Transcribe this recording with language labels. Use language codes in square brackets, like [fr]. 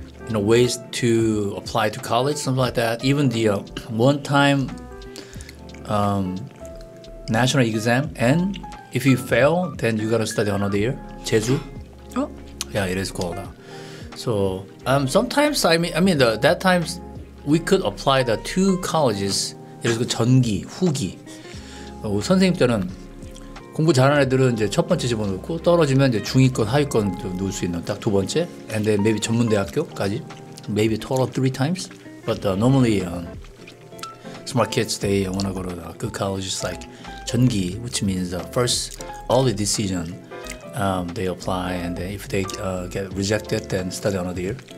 [en] you know, ways to apply to college, something like that. Even the one-time national exam. And if you fail, then you gotta study another year. Jeju. Oh. Yeah, it is called. So sometimes, I mean that time, we could apply the two colleges. [ko] 예를 들어 전기, 후기. 선생님 때는 공부 잘하는 애들은 이제 첫 번째 집어넣고 떨어지면 이제 중위권, 하위권 넣을 수 있는 딱 두 번째. [en] And then maybe 전문대학교까지. Maybe total three times. But normally smart kids, they want to go to the good colleges like 전기, which means the first early decision. They apply, and then if they get rejected, then study another year.